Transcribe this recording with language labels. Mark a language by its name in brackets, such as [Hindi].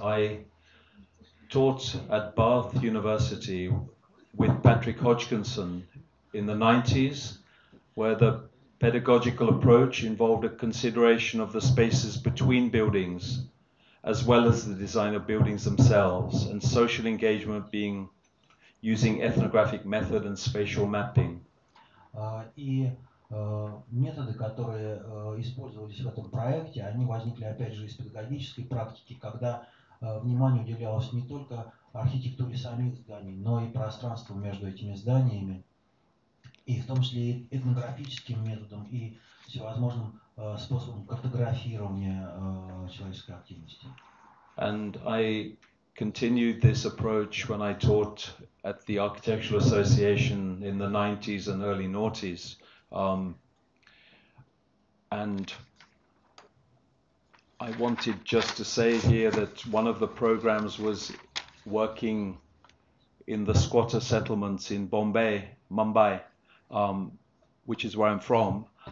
[English] I taught at Bath University with Patrick Hodgkinson in the 90s, where the pedagogical approach involved a consideration of the spaces between buildings, as well as the design of buildings themselves, and social engagement being using ethnographic method and spatial mapping. [Russian] И методы, которые использовались в этом проекте, они возникли опять же из педагогической практики, когда внимание уделялось не только архитектуре самих зданий, но и пространству между этими зданиями, и в том числе и этнографическим методом, и всевозможным способом картографирования человеческой активности. [English] And I continued this approach when I taught at the Architectural Association in the 90s and early noughties. And I wanted just to say here that one of the programs was working in the squatter settlements in Bombay, Mumbai, which is where I'm from.